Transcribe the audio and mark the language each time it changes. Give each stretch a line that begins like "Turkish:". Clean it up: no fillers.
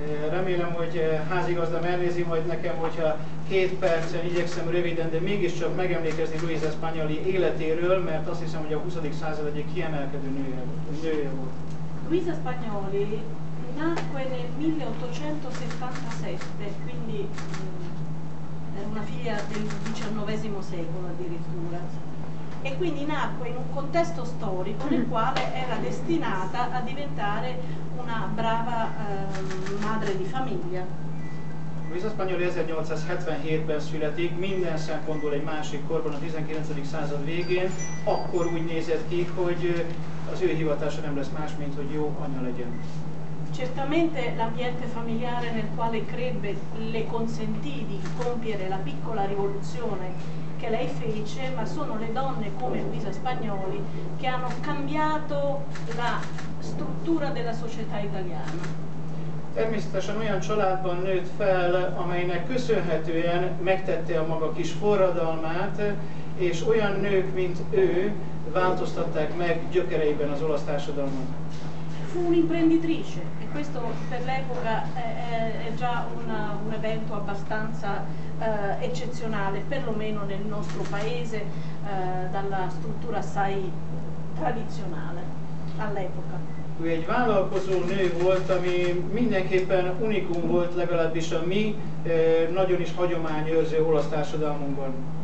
Hungarian: Remélem, hogy házigazdám elnézi majd nekem, hogyha két percen igyekszem röviden, de mégiscsak megemlékezni Luisa Spagnoli életéről, mert azt hiszem, hogy a 20. század egyik kiemelkedő nője volt.
Italian: Luisa Spagnoli nacque nel 1877, quindi era una figlia del XIX secolo addirittura, e quindi nacque in un contesto storico nel quale era destinata a diventare una brava madre di famiglia.
Hungarian: Luisa Spagnoli 1877-ben születik, minden szempontból egy másik korban, a 19. század végén, akkor úgy nézett ki, hogy az ő hivatása nem lesz más, mint hogy jó anya legyen.
Italian: Certamente l'ambiente familiare nel quale crebbe le consentì di compiere la piccola rivoluzione che lei fece, ma sono le donne come Luisa Spagnoli che hanno cambiato la struttura della società italiana.
Hungarian: Természetesen olyan családban nőtt fel, amelynek köszönhetően megtette a maga kis forradalmát, és olyan nők, mint ő, változtatták meg gyökereiben az olasz társadalmat.
Italian: Fu un'imprenditrice, e questo per l'epoca è già un evento abbastanza eccezionale, perlomeno nel nostro paese, dalla struttura assai tradizionale all'epoca.
Hungarian: Ő egy vállalkozó nő volt, ami mindenképpen unikum volt, legalábbis a mi nagyon is hagyományőrző olasz társadalmunkban.